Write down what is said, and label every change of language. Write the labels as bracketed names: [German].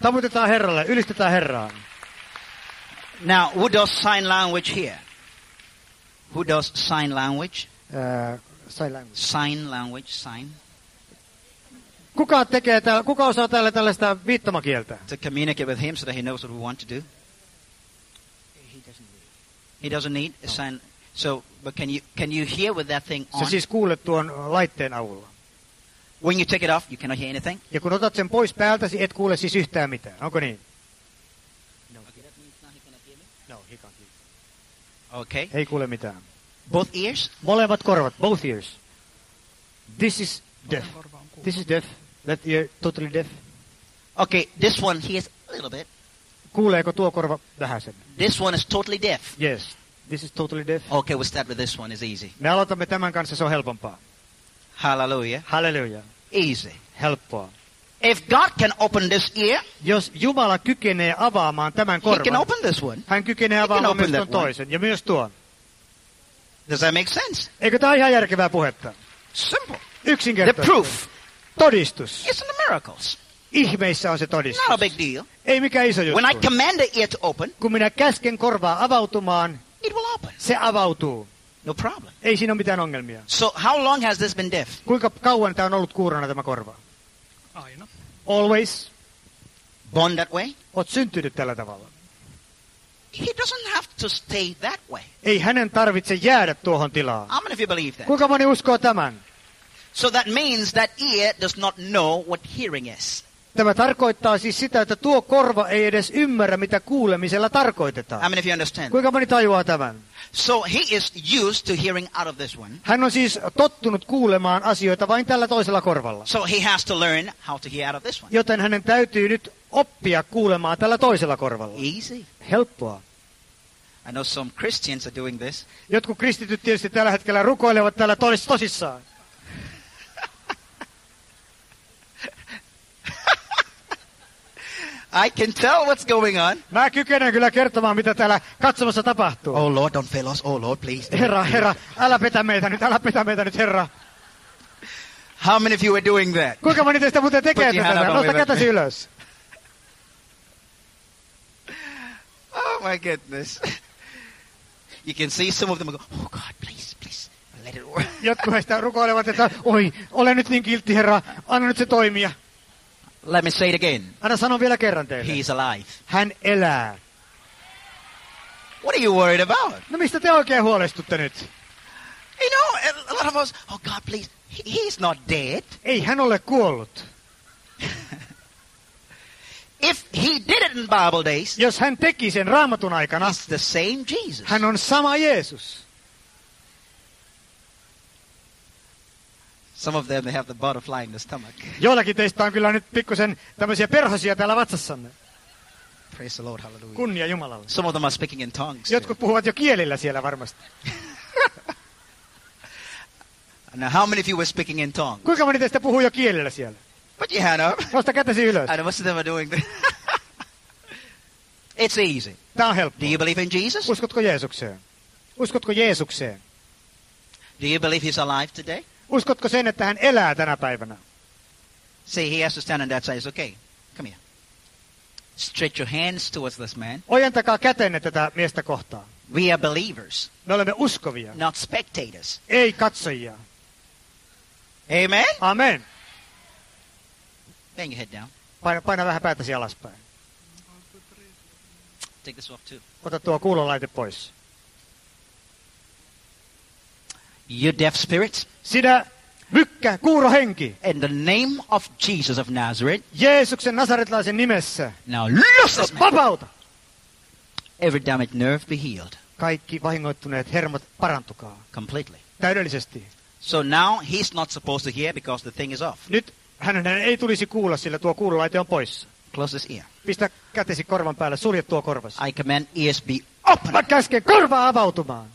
[Finnish] Taputetaan Herralle, ylistetään Herraan. [English] Now, who does sign language here? Who does sign language? Sign language. [Finnish] Kuka tekee täällä, kuka osaa täällä tällaista viittomakieltä? [English] To communicate with him so that he knows what we want to do. He doesn't need a sign. So, but can you hear with that thing on? [Finnish] Se siis kuulet tuon laitteen avulla. [English] When you take it off, you cannot hear anything. [Finnish] Ja kun otat sen pois päältäsi, et kuule siis yhtään mitään. Onko niin? [English] No. Okay, that means now he cannot hear me? No, he can't hear. Okay. [Finnish] Ei kuule mitään. [English] Both ears? [Finnish] Molemmat korvat. [English] Both ears. This is deaf. This is deaf. That ear totally deaf. Okay, this one hears a little bit. [Finnish] Kuuleeko tuo korva vähäsen? [English] This one is totally deaf. Yes. This is totally deaf. Okay, we'll start with this one. It's easy. [Finnish] Me aloitamme tämän kanssa, se on helpompaa. [English] Hallelujah. Hallelujah. Easy. [Finnish] Helppoa. [English] If God can open this ear, [Finnish] jos Jumala kykenee avaamaan tämän korvan, [English] he can open this one. [Finnish] Hän kykenee avaamaan myös tuon toisen ja myös tuon. [English] Does that make sense? [Finnish] Eikö tämä ihan järkevää puhetta? [English] Simple. [Finnish] Yksinkertaisesti. [English] The proof. [Finnish] Todistus. [English] It's in the miracles. [Finnish] Ihmeissä on se todistus. [English] Not a big deal. [Finnish] Ei mikään iso juttu. [English] When I command the ear to open, [Finnish] kun minä käsken korvaa avautumaan, [English] it will open. [Finnish] Se avautuu. [English] No problem. [Finnish] Ei siinä ole mitään ongelmia. [English] So how long has this been deaf? [Finnish] Kuinka kauan tämä on ollut kuurona tämä korva? Aina. [English] Always. Born that way? [Finnish] Oot syntynyt tällä tavalla. [English] He doesn't have to stay that way. [Finnish] Ei hänen tarvitse jäädä tuohon tilaan. [English] How many of you believe that? [Finnish] Kuinka moni uskoo tämän? [English] So that means that ear does not know what hearing is. [Finnish] Tämä tarkoittaa siis sitä, että tuo korva ei edes ymmärrä, mitä kuulemisella tarkoitetaan. [English] How many of you understand? [Finnish] Kuinka moni tajuaa tämän? [English] So he is used to hearing out of this one. [Finnish] Hän on siis tottunut kuulemaan asioita vain tällä toisella korvalla. [English] So he has to learn how to hear out of this one. [Finnish] Joten hänen täytyy nyt oppia kuulemaan tällä toisella korvalla. [English] Easy. [Finnish] Helppoa. [English] I know some Christians are doing this. [Finnish] Jotkut kristityt tietysti tällä hetkellä rukoilevat täällä tosissaan. [English] I can tell what's going on. [Finnish] Mä kykenen kyllä kertomaan, mitä täällä katsomassa tapahtuu. [English] Oh Lord, don't fail us. Oh Lord, please. [Finnish] Herra, älä petä meitä nyt, älä petä meitä nyt, Herra. [English] How many of you are doing that? [Finnish] Kuinka moni teistä muuten tekee tätä? Nosta kätäsi ylös. [English] Oh my goodness. You can see some of them go, oh God, please, please, let it work. [Finnish] Jotkut heistä rukoilevat, että oi, ole nyt niin kiltti, Herra, anna nyt se toimia. [English] Let me say it again. [Finnish] Anna sanon vielä kerran teille. [English] He is alive. [Finnish] Hän elää. [English] What are you worried about? [Finnish] No mistä te oikein huolestutte nyt? [English] You know, a lot of us, oh God, please, he's not dead. [Finnish] Ei hän ole kuollut. [English] If he did it in Bible days, [Finnish] jos hän teki sen Raamatun aikana, [English] he's the same Jesus. [Finnish] Hän on sama Jeesus. [English] Some of them they have the butterfly in the stomach. [Finnish] Joillakin teistä on kyllä nyt pikkusen tämmöisiä perhosia täällä vatsassanne. [English] Praise the Lord, hallelujah. [Finnish] Kunnia Jumalalle. [English] Some of them are speaking in tongues. [Finnish] Jotkut puhuvat jo kielillä siellä varmasti. [English] Now how many of you were speaking in tongues? [Finnish] Kuinka moni teistä puhuu jo kielillä siellä? [English] Put your hand up. [Finnish] Nosta kätäsi ylös. [English] And most of them are doing this. It's easy. [Finnish] Tämä on helppoa. [English] Do you believe in Jesus? [Finnish] Uskotko Jeesukseen? Uskotko Jeesukseen? [English] Do you believe he's alive today? [Finnish] Uskotko sen, että hän elää tänä päivänä? [English] See, he has to stand on that side. It's okay. Come here. Stretch your hands towards this man. [Finnish] Ojentakaa kätenne tätä miestä kohtaan. [English] We are believers. [Finnish] Me olemme uskovia. [English] Not spectators. [Finnish] Ei katsojia. [English] Amen? Amen. Bang your head down. [Finnish] Paina vähän päätäsi alaspäin. [English] Take this off too. [Finnish] Ota tuo kuulolaite pois. [English] You deaf spirit. [Finnish] Sinä mykkä, kuuro henki. [English] In the name of Jesus of Nazareth. [Finnish] Jeesuksen nasaretlaisen nimessä. [English] Now loose this man. [Finnish] Vapauta. [English] Every damaged nerve be healed. [Finnish] Kaikki vahingoittuneet hermot parantukaa. [English] Completely. [Finnish] Täydellisesti. [English] So now he's not supposed to hear because the thing is off. [Finnish] Nyt hänen ei tulisi kuulla, sillä tuo kuulolaite on poissa. [English] Close this ear. [Finnish] Pistä kätesi korvan päälle, sulje tuo korvas. [English] I command ears be open. [Finnish] Mä käsken korva avautumaan.